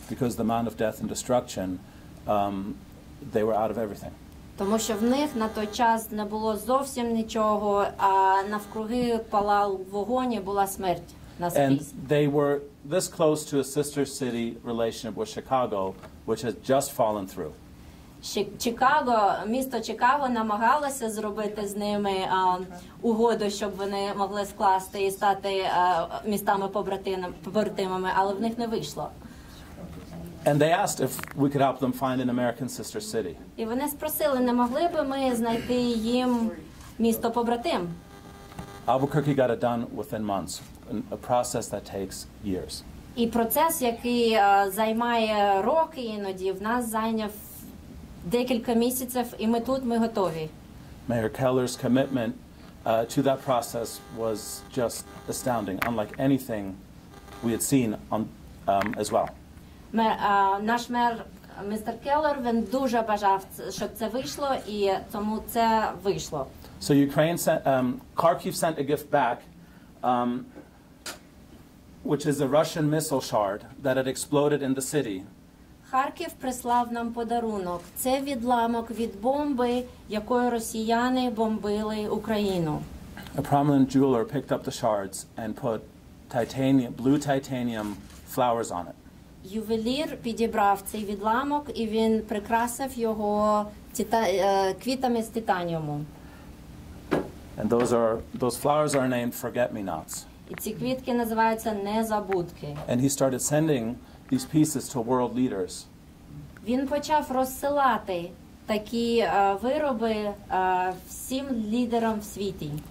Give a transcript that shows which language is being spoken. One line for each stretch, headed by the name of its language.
English: Because the amount of death and destruction, they were out of everything.
Ukrainian: Тому що в них на той час не було зовсім нічого, а навкруги палав вогонь і була смерть наскрізь.
English: And they were this close to a sister city relationship with Chicago, which had just fallen through.
Ukrainian: Чикаго, місто Чикаго намагалося зробити з ними угоду, щоб вони могли скласти і стати містами побратимами, але в них не вийшло.
English: And they asked if we could help them find an American sister city.
Ukrainian: І вони спросили, не могли би ми знайти їм місто побратим?
English: Albuquerque got it done within months, a process that takes years.
Ukrainian: І процес, який займає роки іноді, в нас зайняв декілька місяців, і ми тут, ми готові.
English: Mayor Keller's commitment to that process was just astounding, unlike anything we had seen on as well.
Ukrainian: Наш мер, містер Келлер, він дуже бажав, щоб це вийшло, і тому це вийшло.
English: So Ukraine sent, Kharkiv sent a gift back, which is a Russian missile shard that had exploded in the city.
Ukrainian: Харків прислав нам подарунок. Це відламок від бомби, якою росіяни бомбили Україну.
English: A prominent jeweler picked up the shards and put titanium, blue titanium flowers on it.
Ukrainian: Ювелір підібрав цей відламок і він прикрасив його квітами з титаніуму.
English: And those flowers are named forget-me-nots.
Ukrainian: І ці квітки називаються незабудки.
English: And he started sending these pieces to world leaders.
Ukrainian: Він почав розсилати такі вироби всім лідерам в світі.